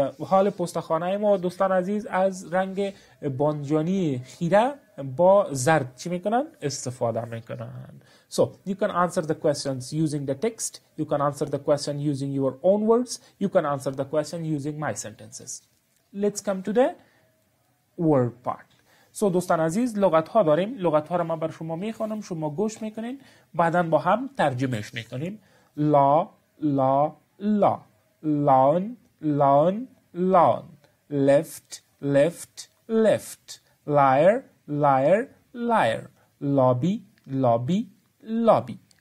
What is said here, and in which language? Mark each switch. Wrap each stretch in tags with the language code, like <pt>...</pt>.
<fa>حال پستخانه ما دوستان عزیز از رنگ بانجانی خیره با زرد چی میکنن؟ استفاده میکنن.</fa> <en>So you can answer the questions using the text. You can answer the question using your own words. You can answer the question using my sentences. Let's come to the word part.</en> <fa>So دوستان عزیز، لغت ها داریم. لغت ها رو من بر شما میخوانم، شما گوش میکنین، بعدن با هم ترجمهش میکنیم.</fa> <en>Law law law, lawn lawn lawn, left left left, layer layer layer, lobby lobby lobby.</en>